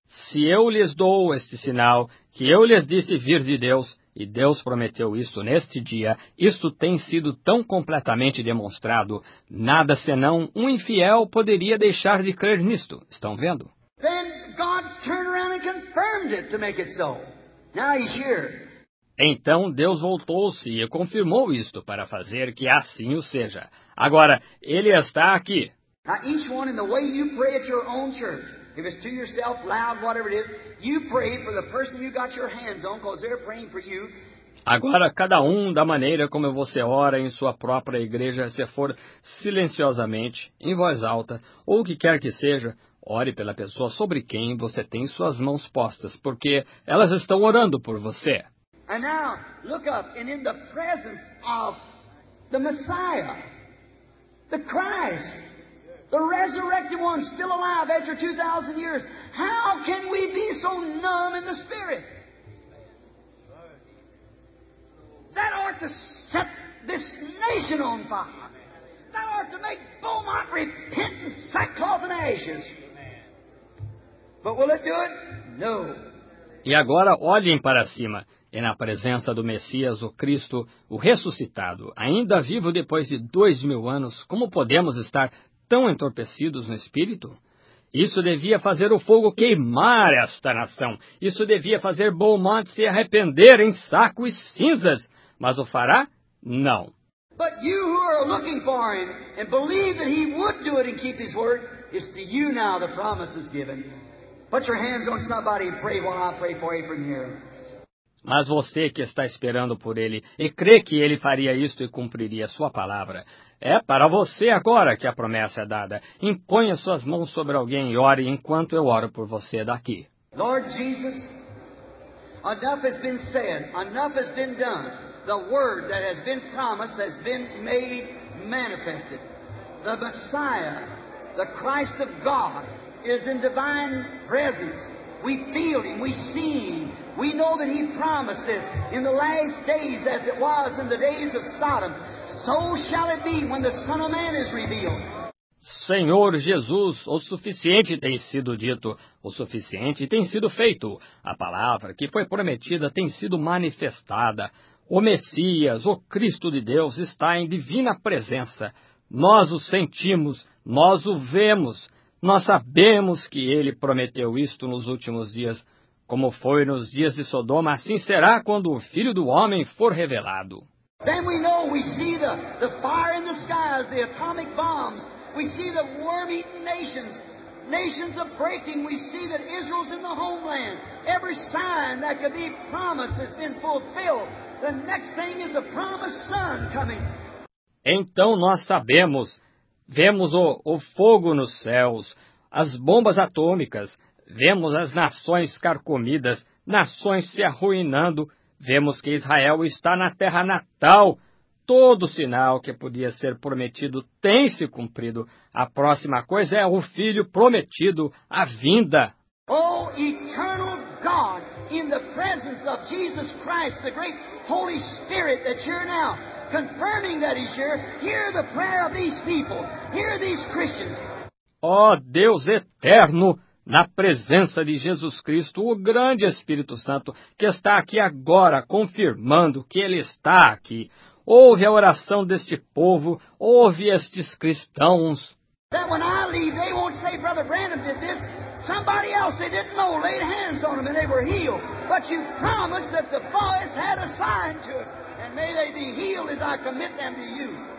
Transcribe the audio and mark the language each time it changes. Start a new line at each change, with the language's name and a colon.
Portuguese: Se eu lhes dou este sinal, que eu lhes disse vir de Deus, e Deus prometeu isto neste dia, isto tem sido tão completamente demonstrado, nada senão um infiel poderia deixar de crer nisto. Estão vendo?
English: Then God turned around and confirmed it to make it so. Now he's here.
Portuguese: Então Deus voltou-se e confirmou isto para fazer que assim o seja. Agora, ele está aqui.
English: Now each one in the way you pray at your own church. If it's to yourself, loud, whatever it is, you pray for the person you got your hands on, because they're praying for you.
Portuguese: Agora, cada um da maneira como você ora em sua própria igreja, se for silenciosamente, em voz alta, ou o que quer que seja, ore pela pessoa sobre quem você tem suas mãos postas, porque elas estão orando por você.
English: And now, look up, and in the presence of the Messiah, the Christ, the resurrected one still alive after 2,000 years. How can we be so numb in the spirit? That ought to set this nation on fire. That ought to make Beaumont repent in sackcloth and ashes. But will it do it? No.
Portuguese: E agora olhem para cima. E na presença do Messias, o Cristo, o ressuscitado, ainda vivo depois de 2,000 anos, como podemos estar tão entorpecidos no espírito? Isso devia fazer o fogo queimar esta nação. Isso devia fazer Beaumont se arrepender em saco e cinzas. Mas o fará? Não.
English: But you who are looking for him and believe that he would do it and keep his word, it's to you now the promise is given. Put your hands on somebody and pray while I pray for Abraham here.
Portuguese: Mas você que está esperando por ele e crê que ele faria isto e cumpriria sua palavra, é para você agora que a promessa é dada. Imponha suas mãos sobre alguém e ore enquanto eu oro por você daqui.
English: Lord Jesus, enough has been said, enough has been done. The word that has been promised has been made manifested. The Messiah, the Christ of God, is in divine presence. We feel Him. We see Him. We know that He promises in the last days as it was in the days of Sodom. So shall it be when the Son of Man is revealed.
Portuguese: Senhor Jesus, o suficiente tem sido dito, o suficiente tem sido feito. A palavra que foi prometida tem sido manifestada. O Messias, o Cristo de Deus, está em divina presença. Nós o sentimos, nós o vemos. Nós sabemos que Ele prometeu isto nos últimos dias. Como foi nos dias de Sodoma, assim será quando o Filho do Homem for revelado.
English: Then we know, we see the fire in the skies, the atomic bombs. We see the worm-eaten nations. Nations are breaking. We see that Israel's in the homeland. Every sign that could be promised has been fulfilled. The next thing is a promised son coming.
Portuguese: Então nós sabemos, vemos o fogo nos céus, as bombas atômicas, vemos as nações carcomidas, nações se arruinando, vemos que Israel está na terra natal. Todo sinal que podia ser prometido tem se cumprido. A próxima coisa é o Filho prometido, a vinda.
English: Oh, eternal God, in the presence of Jesus Christ, the great Holy Spirit that's here now, confirming that He's here, hear the prayer of these people, hear these Christians.
Portuguese: Oh, Deus eterno, na presença de Jesus Cristo, o grande Espírito Santo, que está aqui agora, confirmando que Ele está aqui. Ouve a oração deste povo, ouve estes cristãos.
English: That when I leave, they won't say Brother Branham did this. Somebody else they didn't know laid hands on them and they were healed. But you promised that the boys had a sign to it. And may they be healed as I commit them to you.